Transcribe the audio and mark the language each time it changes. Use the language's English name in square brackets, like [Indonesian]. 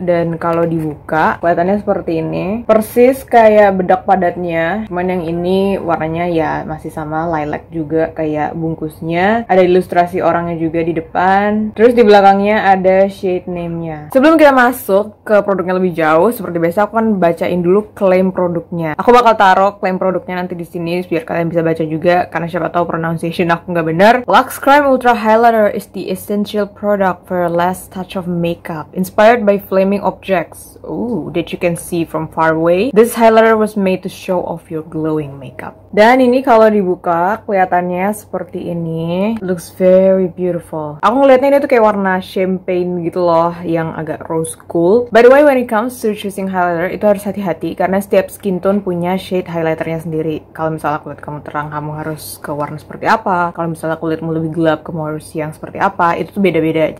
[Indonesian] Dan kalau dibuka, kelihatannya seperti ini. Persis kayak bedak padatnya, cuman yang ini warnanya ya masih sama lilac juga kayak bungkusnya. Ada ilustrasi orangnya juga di depan, terus di belakangnya ada shade name-nya. Sebelum kita masuk ke produknya lebih jauh, seperti biasa aku kan bacain dulu klaim produknya. Aku bakal taruh klaim produknya nanti di sini biar kalian bisa baca juga, karena siapa tahu pronunciation aku nggak benar. [English] Lux Crime Ultra Highlighter is the essential product for a last touch of makeup, inspired by flaming objects. Ooh, that you can see from far away. This highlighter was made to show off your glowing makeup. [Indonesian] Dan ini kalau dibuka kelihatannya seperti ini. [English] Looks very beautiful. [Indonesian] Aku ngeliatnya ini tuh kayak warna champagne gitu loh, yang agak rose gold. [English] By the way, when it comes to choosing highlighter, [Indonesian] itu harus hati-hati karena setiap skin tone punya shade highlighternya sendiri. Kalau misalnya kulit kamu terang, kamu harus ke warna seperti apa. Kalau misalnya kulitmu lebih gelap, kamu harus siang seperti apa. Itu tuh beda-beda.